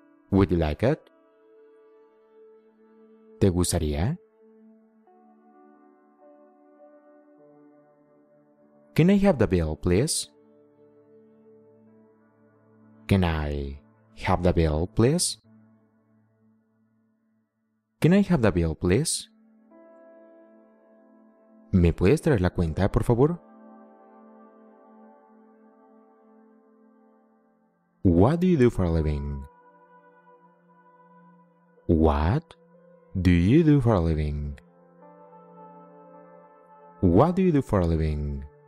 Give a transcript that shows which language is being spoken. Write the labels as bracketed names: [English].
[English] Would you like it? [Spanish] ¿Te gustaría? [English] Can I have the bill, please? Can I have the bill, please? Can I have the bill, please? [Spanish] ¿Me puedes traer la cuenta, por favor? [English] What do you do for a living? What do you do for a living? What do you do for a living?